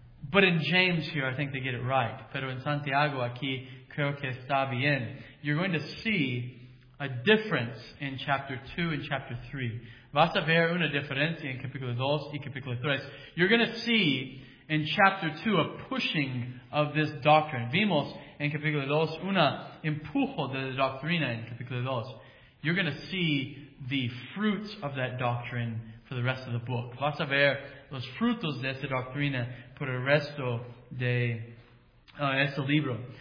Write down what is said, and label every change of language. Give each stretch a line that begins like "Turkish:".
English: But in James here, I think they get it right.
Spanish: Pero en Santiago aquí, creo que está bien.
English: You're going to see a difference in chapter 2 and chapter 3.
Spanish: Vas a ver una diferencia en capítulo 2 y capítulo 3.
English: You're going to see in chapter 2 a pushing of this doctrine.
Spanish: Vimos en capítulo 2 una empujo de la doctrina en capítulo 2.
English: You're going to see the fruits of that doctrine for the rest of the book.
Spanish: Vas a ver los frutos de esta doctrina por el resto de este libro.